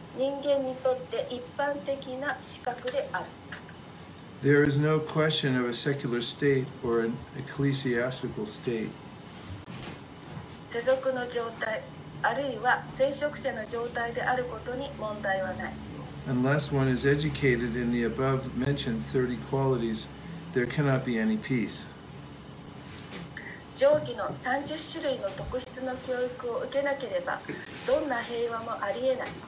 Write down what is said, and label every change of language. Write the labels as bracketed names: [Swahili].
[Japanese] 人間にとって一般的な資格である。 [English] There is no question of a secular state or an ecclesiastical state. [Japanese] 世俗の状態、あるいは聖職者の状態であることに問題はない。 [English] Unless one is educated in the above mentioned 30 qualities, there cannot be any peace. [Japanese] 上記の30種類の特質の教育を受けなければ、どんな平和もありえない。